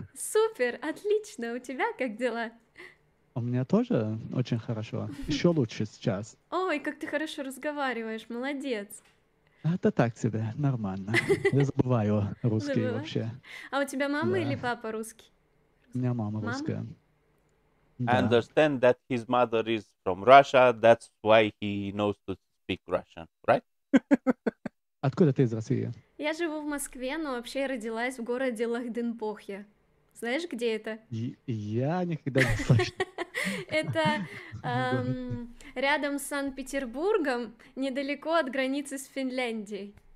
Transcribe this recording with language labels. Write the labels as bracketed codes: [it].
[ru] Супер, отлично. У тебя как дела? У меня тоже очень хорошо. Еще лучше сейчас. Ой, как ты хорошо разговариваешь. Молодец. Это так себе, нормально. Я забываю русский вообще. А у тебя мама Да. или папа русский? У меня мама Мама? русская. [en] I [ru] Да. [en] understand that his mother is from Russia, that's why he knows to speak Russian, right? [ru] Откуда ты из России? Я живу в Москве, но вообще я родилась в городе Лахденпохья. Знаешь, где это? Я никогда не слышал. Это рядом с Санкт-Петербургом, недалеко от границы с Финляндией.